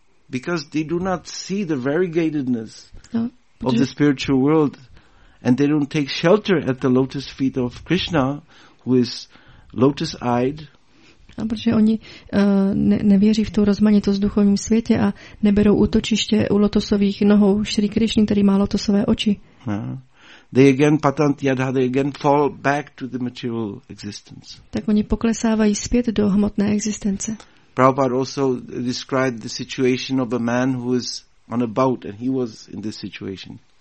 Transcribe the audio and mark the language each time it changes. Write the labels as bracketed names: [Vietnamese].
[English] Because they do not see the variegatedness of the spiritual world and they don't take shelter at the lotus feet of Krishna, who is lotus-eyed. [Czech] A protože oni nevěří v tu rozmanitost v duchovním světě a neberou útočiště u lotosových nohou Šri Krišny, který má lotosové oči. [English] They again [Sanskrit] patant yadha, [English] they again fall back to the material existence. [Czech] Tak oni poklesávají zpět do hmotné existence. [English] Prabhupada also described the situation of a man who is on a boat and he was in this situation.